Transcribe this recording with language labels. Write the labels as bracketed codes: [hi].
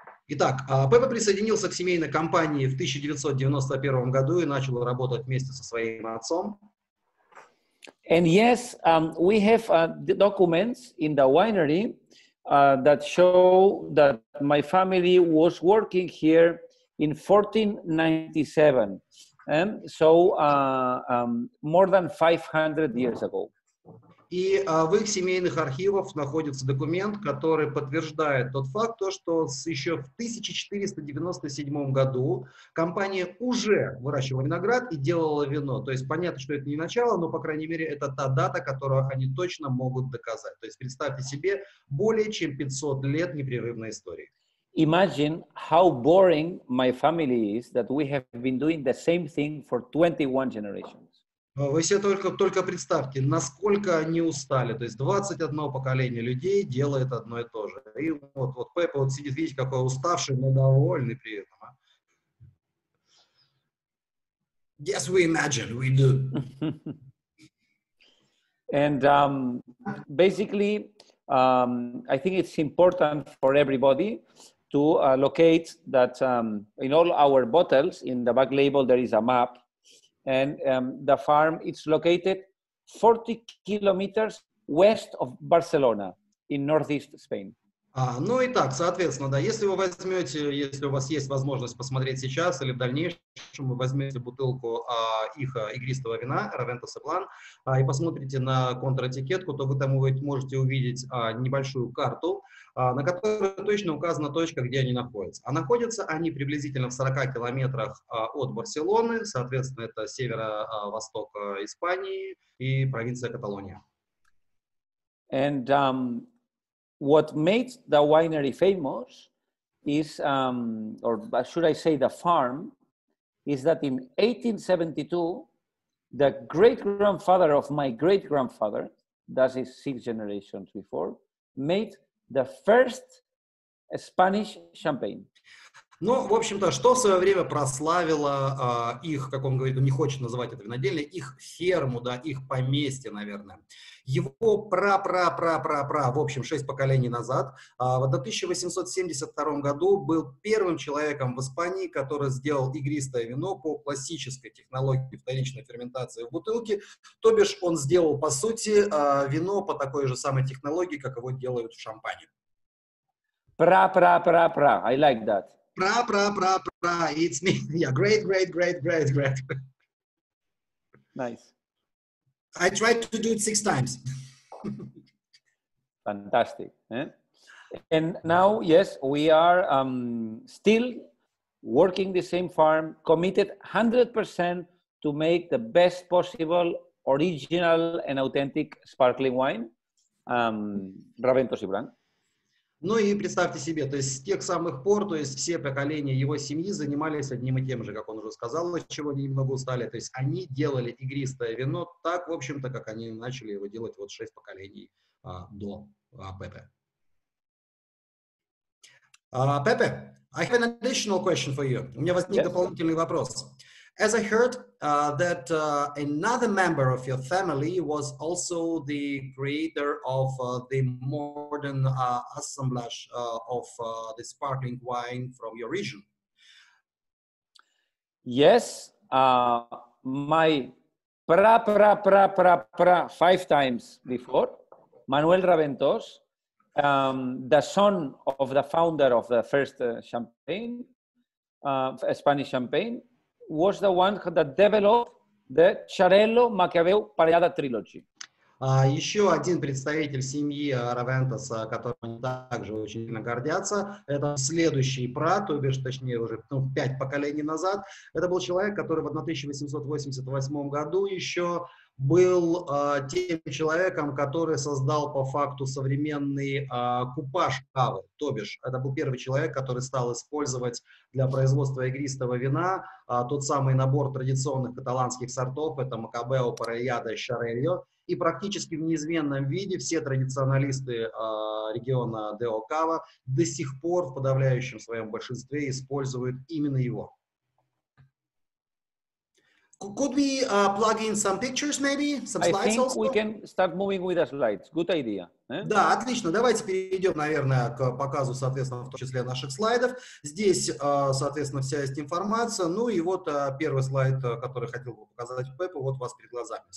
[ru] Итак, Пепе присоединился к семейной компании в 1991 году и начал работать вместе со своим отцом. [en] And yes, we have the documents in the winery that show that my family was working here in 1497, and so more than 500 years ago. [ru] И в их семейных архивах находится документ, который подтверждает тот факт, то, что еще в 1497 году компания уже выращивала виноград и делала вино. То есть понятно, что это не начало, но, по крайней мере, это та дата, которую они точно могут доказать. То есть представьте себе более чем 500 лет непрерывной истории. [en] Imagine how boring my family is that we have been doing the same thing for 21 generations. [ru] Вы себе только представьте, насколько они устали. То есть 21 поколение людей делает одно и то же. И вот Пеппа вот сидит, видите, какой уставший, но довольный при этом. [en] Yes, we imagine, we do. And basically, I think it's important for everybody to locate that in all our bottles, in the back label, there is a map. And the farm is located 40 kilometers west of Barcelona, in northeast Spain. [ru] Ну и так, соответственно, да, если вы возьмете, если у вас есть возможность посмотреть сейчас или в дальнейшем, вы возьмете бутылку их игристого вина, Raventos Blanc, и посмотрите на контр-этикетку, то вы там можете увидеть небольшую карту, на которой точно указана точка, где они находятся. А находятся они приблизительно в 40 километрах от Барселоны, соответственно, это северо-восток Испании и провинция Каталония. [en] And, what made the winery famous is, or should I say the farm, is that in 1872, the great-grandfather of my great-grandfather, that is six generations before, made the first Spanish champagne. [ru] Ну, в общем-то, что в свое время прославило их, как он говорит, не хочет называть это винодельня, их ферму, да, их поместье, наверное. Его пра-пра-пра-пра-пра, в общем, шесть поколений назад, в 1872 году был первым человеком в Испании, который сделал игристое вино по классической технологии вторичной ферментации в бутылке, то бишь он сделал, по сути, вино по такой же самой технологии, как его делают в шампане. Пра-пра-пра-пра, [en] I like that. [ru] Пра-пра-пра-пра, [en] it's me, yeah, great, great, great, great, great. Nice. I tried to do it six times. Fantastic. Eh? And now, yes, we are still working the same farm, committed 100% to make the best possible original and authentic sparkling wine, Raventos y Blanc. [ru] Ну и представьте себе, то есть с тех самых пор, то есть все поколения его семьи занимались одним и тем же, как он уже сказал, от чего они немного устали. То есть они делали игристое вино так, в общем-то, как они начали его делать вот шесть поколений до Пепе. [en] Пепе, I have an additional question for you. [ru] У меня возник дополнительный вопрос. [en] As I heard that another member of your family was also the creator of the modern assemblage of the sparkling wine from your region. Yes, my pra-pra-pra-pra-pra five times before, Manuel Raventos, the son of the founder of the first champagne, Spanish champagne, was the one that developed the Charello Macabeu Parellada trilogy. [ru] Еще один представитель семьи Raventos, которым они также очень сильно гордятся, это следующий брат, то бишь, точнее, уже пять поколений назад. Это был человек, который в 1888 году еще был тем человеком, который создал по факту современный купаж кавы. То бишь, это был первый человек, который стал использовать для производства игристого вина тот самый набор традиционных каталанских сортов, это макабео, параяда, шарельо. И практически в неизменном виде все традиционалисты региона Део-Кава до сих пор в подавляющем своем большинстве используют именно его. [en] Could we plug in some pictures, maybe? Some slides also? I think we can start moving with the slides. Good idea. [ru] Да, отлично. Давайте перейдем, наверное, к показу, соответственно, в том числе наших слайдов. Здесь, соответственно, вся есть информация. Ну и вот первый слайд, который хотел бы показать Пеппу, вот у вас перед глазами.